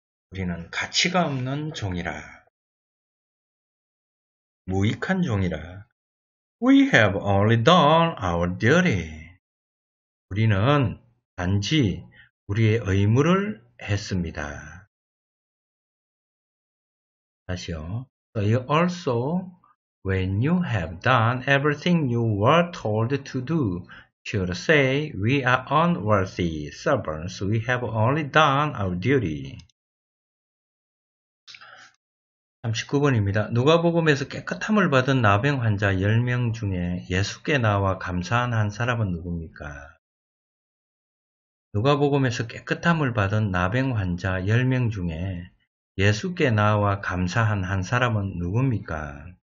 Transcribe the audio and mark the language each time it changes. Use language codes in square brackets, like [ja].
[ko] 우리는 가치가 없는 종이라. 무익한 종이라. [en] We have only done our duty. [ko] 우리는 단지 우리의 의무를 했습니다. 다시요. [en] So you also, When you have done everything you were told to do, you should say, we are unworthy servants, we have only done our duty. [ko] 39번입니다. 누가복음에서 깨끗함을 받은 나병 환자 10명 중에 예수께 나와 감사한 한 사람은 누굽니까? 누가복음에서 깨끗함을 받은 나병 환자 10명 중에 예수께 나와 감사한 한 사람은 누굽니까?